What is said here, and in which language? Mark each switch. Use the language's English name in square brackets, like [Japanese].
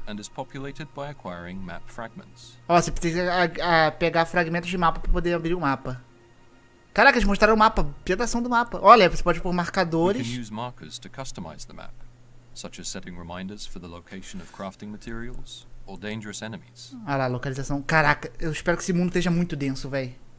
[English] And is populated by acquiring map fragments. [Portuguese] Ó, você precisa pegar fragmentos de mapa pra poder abrir o mapa. Caraca, eles mostraram o mapa, pedação do mapa. Olha, você pode pôr marcadores. [English] You can use markers to customize the map, such as setting reminders for the location of crafting materials or dangerous enemies. [Portuguese] Olha lá, localização. Caraca, eu espero que esse mundo esteja muito denso, véi.